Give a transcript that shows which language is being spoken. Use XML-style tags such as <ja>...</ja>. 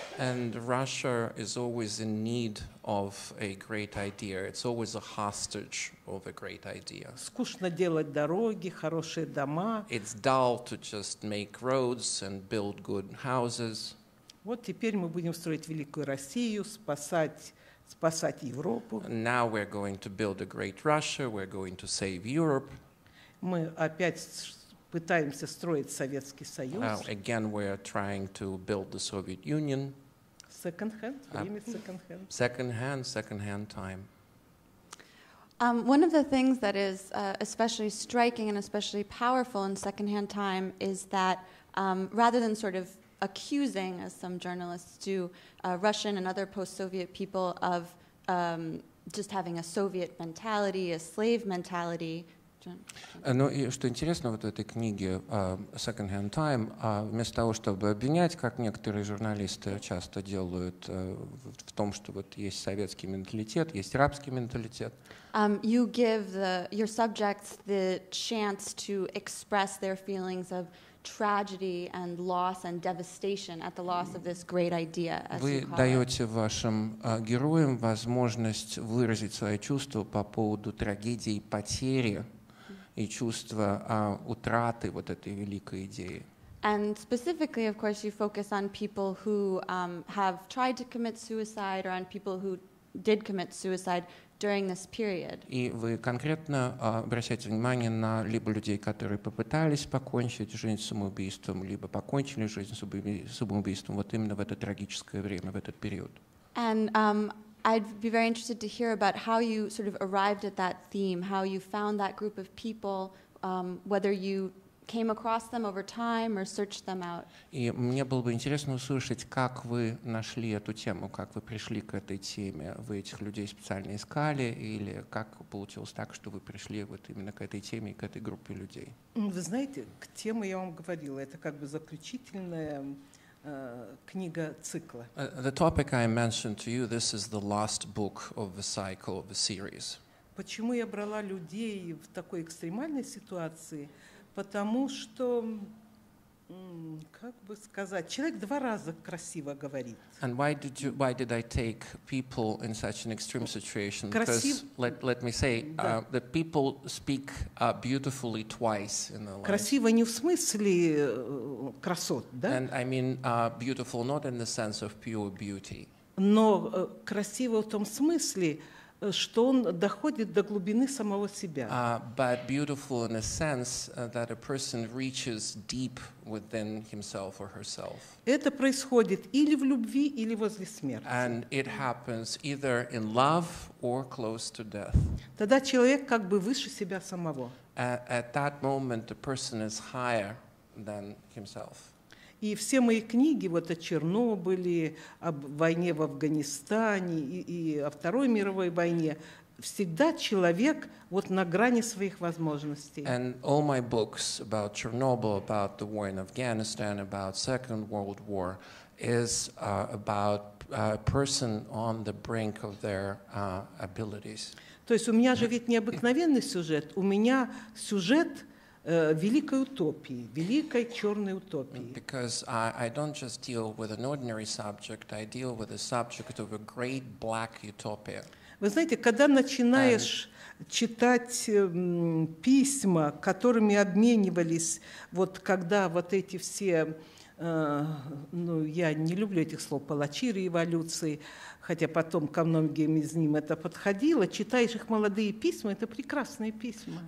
<en>And Russia is always in need of a great idea. It's always a hostage of a great idea.</en> <ru>Скучно делать дороги, хорошие дома.</ru> <en>It's dull to just make roads and build good houses.</en> <ru>Вот теперь мы будем строить великую Россию, спасать Европу.</ru> <en>And now we're going to build a great Russia. We're going to save Europe.</en> <ru>Мы опять пытаемся строить Советский Союз.</ru> <en>Again, we are trying to build the Soviet Union.</en> <ru>Second-hand, время second-hand.</ru> <en>Second-hand time. One of the things that is especially striking and especially powerful in second-hand time is that rather than sort of accusing, as some journalists do, Russian and other post-Soviet people of just having a Soviet mentality, a slave mentality,</en> <ru>Ну и что интересно вот в этой книге Second Hand Time, вместо того, чтобы обвинять, как некоторые журналисты часто делают, в том, что вот есть советский менталитет, есть рабский менталитет.</ru> <en>You give your subjects the chance to express their feelings of tragedy and loss and devastation at the loss of this great idea.</en> <ru>Вы даете вашим героям возможность выразить свои чувства по поводу трагедии, потери. И чувство утраты вот этой великой идеи.</ru> <en>And specifically, of course, you focus on people who have tried to commit suicide or on people who did commit suicide during this period.</en> <ru>И вы конкретно обращаете внимание на либо людей, которые попытались покончить жизнь самоубийством, либо покончили жизнь самоубийством вот именно в это трагическое время, в этот период.</ru> <en>And I'd be very interested to hear about how you sort of arrived at that theme, how you found that group of people, whether you came across them over time or searched them out.</en> <ru>И мне было бы интересно услышать, как вы нашли эту тему, как вы пришли к этой теме, вы этих людей специально искали или как получилось так, что вы пришли вот именно к этой теме и к этой группе людей? Вы знаете, к теме я вам говорила, это как бы заключительная книга цикла.</ru> <en>The topic I mentioned to you, this is the last book of the cycle of the series.</en> <ru>Почему я брала людей в такой экстремальной ситуации? Потому что, как бы сказать, человек два раза красиво говорит.</ru> <en>And why did I take people in such an extreme situation? Because let me say, that people speak beautifully twice in their lives.</en> <ru>Красиво не в смысле красот, да?</ru> <en>And I mean beautiful not in the sense of pure beauty.</en> <ru>Но красиво в том смысле, что он доходит до глубины самого себя.</ru> <en>But beautiful in a sense that a person reaches deep within himself or herself.</en> <ru>Это происходит или в любви, или возле смерти.</ru> <en>And it happens either in love or close to death.</en> <ru>Тогда человек как бы выше себя самого.</ru> <en>At that moment, the person is higher than himself.</en> <ru>И все мои книги вот о Чернобыле, об войне в Афганистане и о Второй мировой войне всегда человек вот на грани своих возможностей.</ru> <en>And all my books about Chernobyl, about the war in Afghanistan, about Second World War is about a person on the brink of their abilities.</en> <ru>То есть у меня же ведь необыкновенный сюжет, у меня сюжет великой утопии, великой черной утопии.</ru> <en>Because I don't just deal with an ordinary subject, I deal with the subject of a great black utopia.</en> <ru>Вы знаете, когда начинаешь читать письма, которыми обменивались, вот когда вот эти все, ну, я не люблю этих слов, палачи революции, хотя потом ко многим из ним это подходило, читаешь их молодые письма, это прекрасные письма.</ru>